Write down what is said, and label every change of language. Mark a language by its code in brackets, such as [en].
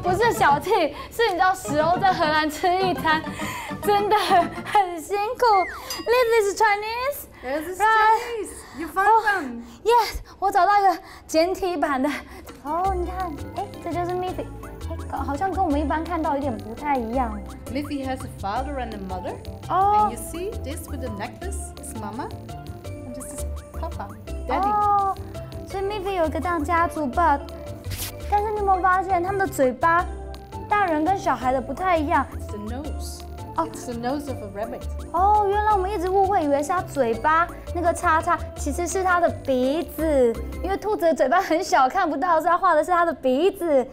[zh] 不是小 T， 是你知道石欧在荷兰吃一餐真的很辛苦。 [en] This is Chinese。 Yes, it's Chinese. You found them. [zh] Yes, 我找到一个简体版的。哦，你看，这就是 Miffy， 好像跟我们一般看到有点不太一样。 [en] Miffy has a father and a mother. Oh. And you see this with the necklace? It's Mama. And this is Papa, Daddy. Oh. So Miffy [zh] 有一个这样家族 ，but， 但是你有没有发现他们的嘴巴，大人跟小孩的不太一样 [en] ？It's the nose. Oh, it's the nose of a rabbit. [zh] 哦，原来我们一直误会，以为是他嘴巴那个叉叉，其实是他的鼻子，因为兔子的嘴巴很小，看不到，所以他画的是他的鼻子。